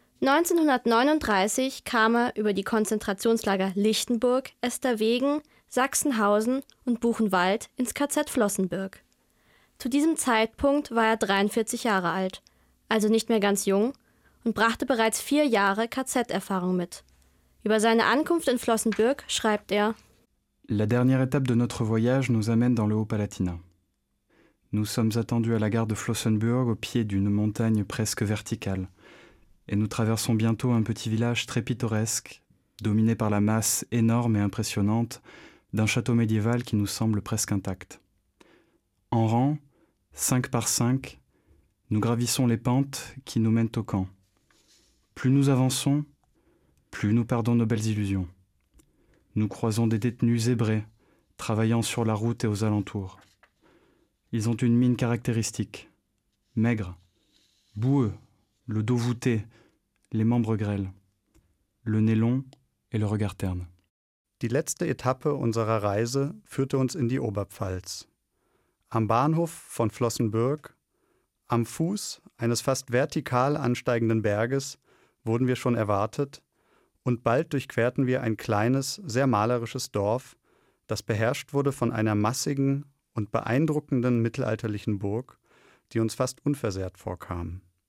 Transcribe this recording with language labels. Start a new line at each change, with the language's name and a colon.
German: 1939 kam er über die Konzentrationslager Lichtenburg, Esterwegen, Sachsenhausen und Buchenwald ins KZ Flossenbürg. Zu diesem Zeitpunkt war er 43 Jahre alt, also nicht mehr ganz jung, und brachte bereits 4 Jahre KZ-Erfahrung mit. Über seine Ankunft in Flossenbürg schreibt er:
French: La dernière étape de notre voyage nous amène dans le Haut-Palatinat. Nous sommes attendus à la gare de Flossenbürg au pied d'une montagne presque verticale. Et nous traversons bientôt un petit village très pittoresque, dominé par la masse énorme et impressionnante d'un château médiéval qui nous semble presque intact. En rang, 5 par 5, nous gravissons les pentes qui nous mènent au camp. Plus nous avançons, plus nous perdons nos belles illusions. Nous croisons des détenus zébrés, travaillant sur la route et aux alentours. Ils ont une mine caractéristique, maigre, boueux, le dos voûté, les membres grêles, le nez long et le regard terne.
German: Die letzte Etappe unserer Reise führte uns in die Oberpfalz. Am Bahnhof von Flossenbürg, am Fuß eines fast vertikal ansteigenden Berges, wurden wir schon erwartet und bald durchquerten wir ein kleines, sehr malerisches Dorf, das beherrscht wurde von einer massigen und beeindruckenden mittelalterlichen Burg, die uns fast unversehrt vorkam.